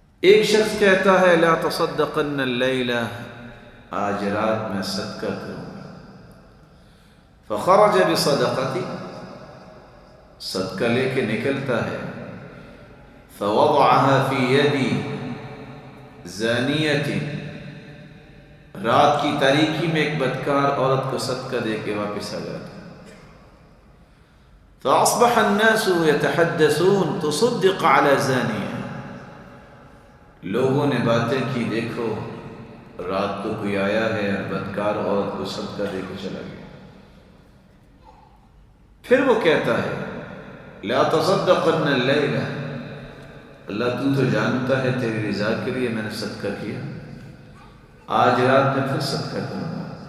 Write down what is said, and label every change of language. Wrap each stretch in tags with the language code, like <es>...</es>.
<ur>ایک شخص کہتا ہے،</ur> <ar>لا تصدقن اللیلہ،</ar> <ur>آج رات میں صدقہ کروں گا۔</ur> <ar>فخرج بصدقتی،</ar> <ur>صدقہ لے کے نکلتا ہے،</ur> <ar>فوضعها في يدي زانية.</ar> <ur>رات کی تاریکی میں ایک بدکار عورت کو صدقہ دے کے واپس آ گیا تھا.</ur> <ar>فاصبح الناس يتحدثون تصدق على زانية.</ar> <ur>لوگوں نے باتیں کی، دیکھو رات کو کوئی آیا ہے، بدکار عورت کو صدقہ دے کے چلا گیا. پھر وہ کہتا ہے</ur> <ar>لا تصدقن الليلة،</ar> <ur>اللہ تو جانتا ہے تیری رضا کے لیے میں نے صدقہ کیا، آج رات میں پھر صدقہ کروں گا.</ur>